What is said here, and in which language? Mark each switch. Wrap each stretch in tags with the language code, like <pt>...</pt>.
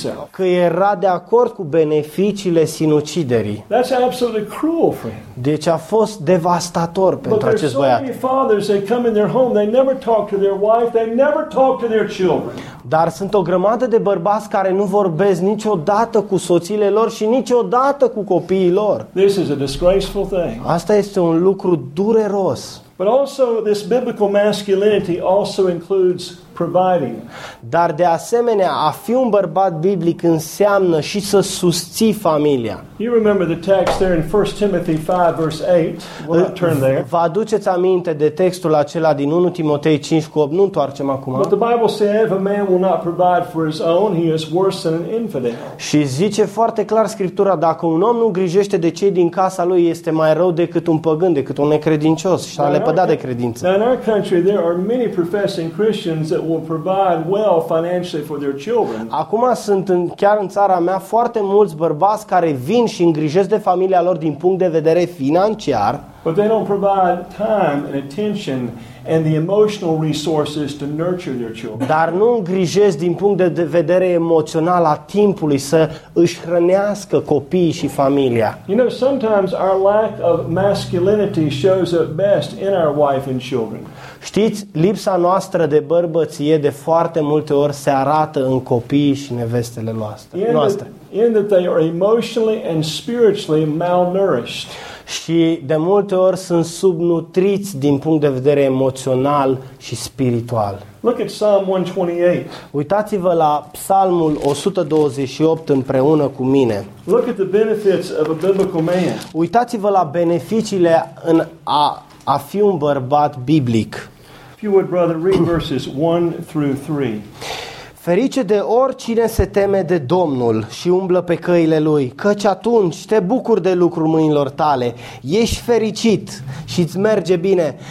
<ro>Că era de acord cu beneficiile sinuciderii.</ro> <en>That's absolutely cruel, friend.</en> <ro>Deci a fost devastator pentru acest băiat.</ro> <en>But so many fathers, they come in their home, they never talk to their wife, they never talk to their children.</en> <ro>Dar sunt o grămadă de bărbați care nu vorbesc niciodată cu soțiile lor și niciodată cu copiii lor.</ro> <en>This is a disgraceful thing.</en> <ro>Asta este un lucru dureros.</ro> <en>But also, this biblical masculinity also includes providing.</en> <ro>Dar de asemenea, a fi un bărbat biblic înseamnă și să susții familia.</ro> <en>You remember the text there in 1 Timothy 5 verse 8? We'll not turn there.</en> <ro>Vă aduceți aminte de textul acela din 1 Timotei 5 cu 8? Nu întoarcem acum.</ro> <en>But the Bible says, if a man will not provide for his own, he is worse than an infidel.</en> <ro>Și zice foarte clar Scriptura, dacă un om nu grijește de cei din casa lui, este mai rău decât un păgân, decât un necredincios. Și a lepădat de credință.</ro> <en>Now in our country there are many professing Christians that will provide well financially for their children.</en> <ro>Acum sunt chiar în țara mea foarte mulți bărbați care vin și îngrijesc de familia lor din punct de vedere financiar.</ro> <en>But they don't provide time and attention and the emotional resources to nurture their children.</en> <ro>Dar nu îngrijesc din punct de vedere emoțional a timpului să își hrănească copiii și familia.</ro> <en>You know, sometimes our lack of masculinity shows up best in our wife and children.</en> <ro>Știți, lipsa noastră de bărbăție de foarte multe ori se arată în copiii și nevestele noastre.</ro> <en>In that they are emotionally and spiritually malnourished.</en> <ro>Și de multe ori sunt subnutriți din punct de vedere emoțional și spiritual.</ro> <en>Look at Psalm 128.</en> <ro>Uitați-vă la Psalmul 128 împreună cu mine.</ro> <en>Look at the benefits of a biblical man.</en> <ro>Uitați-vă la beneficiile în a fi un bărbat biblic.</ro> <en>If you would, brother, read verses 1 through 3.</en> <ro>Ferice de oricine se teme de Domnul și umblă pe căile lui, căci atunci te bucuri de lucrul mâinilor tale, ești fericit și îți merge bine.</ro>